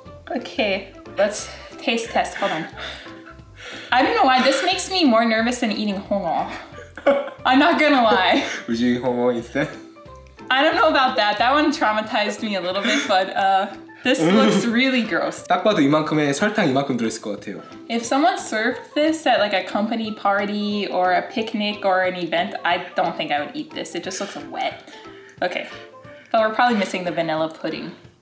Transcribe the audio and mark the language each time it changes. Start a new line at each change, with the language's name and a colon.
English: Okay, let's taste test. Hold on. I don't know why this makes me more nervous than eating hongol. I'm not gonna lie. Would you eat hongol instead? I don't know about that. That one traumatized me a little bit, but this looks really gross.
Korean: 딱 봐도 이만큼의 설탕 이만큼 들어있을 것 같아요.
English: If someone served this at like a company party or a picnic or an event, I don't think I would eat this. It just looks wet. Okay, but we're probably missing the vanilla pudding.